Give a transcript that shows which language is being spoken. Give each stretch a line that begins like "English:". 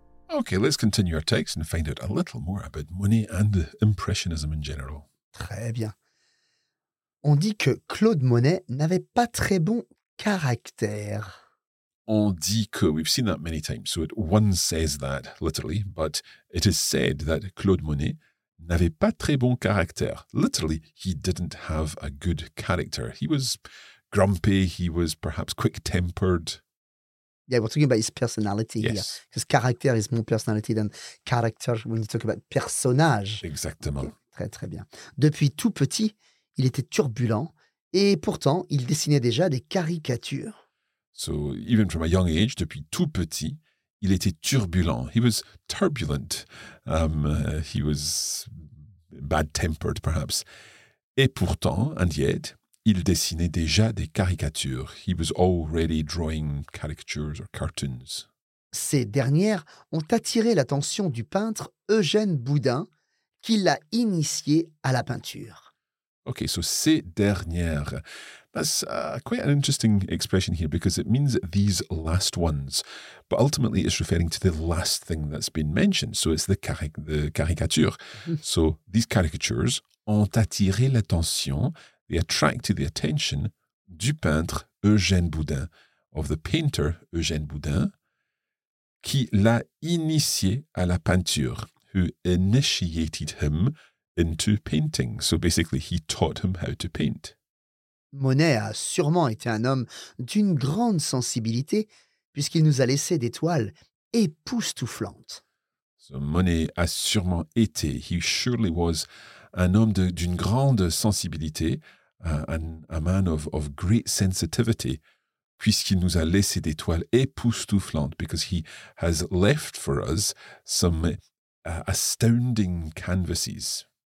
English: Okay, let's continue our text and find out a little more about Monet and impressionism in general.
French: Très bien. On dit que Claude Monet n'avait pas très bon caractère. On dit que,
English: we've seen that many times, so one says that literally, but it is said that Claude Monet
French: n'avait pas très bon caractère.
English: Literally, he didn't have a good character. He was grumpy, he was perhaps quick-tempered. Yeah, we're talking about his personality yes. here. His character is more personality than character when you talk about personnage.
French: Exactement. Okay. Très, très bien. Depuis tout petit, il était turbulent et pourtant, il dessinait déjà des caricatures.
English: So, even from a young age,
French: depuis tout petit, Il était turbulent.
English: He was turbulent. He was bad-tempered, perhaps.
French: Et pourtant,
English: and yet,
French: il dessinait déjà des caricatures.
English: He was already drawing caricatures or cartoons.
French: Ces dernières ont attiré l'attention du peintre Eugène Boudin, qui l'a initié à la peinture.
English: OK, so
French: ces dernières.
English: That's quite an interesting expression here because it means these last ones. But ultimately, it's referring to the last thing that's been mentioned. So it's the caricature. Mm-hmm. So these caricatures
French: ont attiré l'attention,
English: they attracted the attention
French: du peintre Eugène Boudin,
English: of the painter Eugène Boudin,
French: qui l'a initié à la peinture,
English: who initiated him into painting. So basically, he taught him how to paint.
French: Monet a sûrement été un homme d'une grande sensibilité puisqu'il nous a laissé des toiles époustouflantes.
English: So Monet
French: a sûrement été,
English: he surely was,
French: un homme d'une grande sensibilité,
English: a man of great sensitivity,
French: puisqu'il nous a laissé des toiles époustouflantes,
English: because he has left for us some astounding canvases.